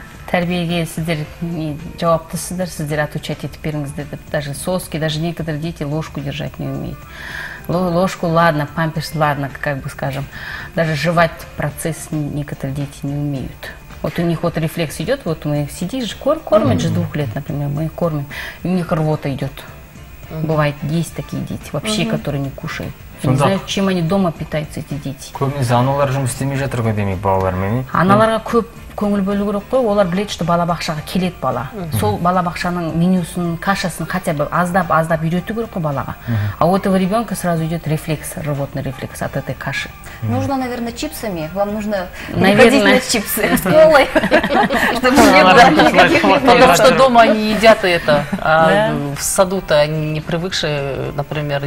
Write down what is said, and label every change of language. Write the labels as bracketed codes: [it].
[kk] Тәрбиеге сіздер не жауаптысыздар, сіздер отучать етіп беріңіздер деп. [ru] Даже соски, даже некоторые дети ложку держать не умеют. Ложку, ладно, памперс, ладно, как бы скажем. Даже жевать процесс некоторые дети не умеют. Вот у них вот рефлекс идет, вот мы сидишь, кормят же с двух лет, например, мы их кормим. И у них рвота идет. Бывает, есть такие дети вообще, которые не кушают. Не знаю, чем они дома питаются, эти дети. [kk] Көбінесе аналар жұмыс істемей жатыр ғой, демек балалармен. Аналарға көп көңіл бөлу керек қой, олар білет, [ru] что [kk] бала бақшаға келет бала. Сол бала бақшаның менюсын, кашасын [ru] хотя бы [kk] аздап-аздап үйрету керек қой балаға. [ru] А у этого ребенка сразу идет рефлекс, рвотный рефлекс от этой каши. Нужно, наверное, чипсами. Вам нужно приходить на чипсы с колой, чтобы не было никаких рефлексов. Потому что дома они едят это, а в саду-то они не привыкшие, например.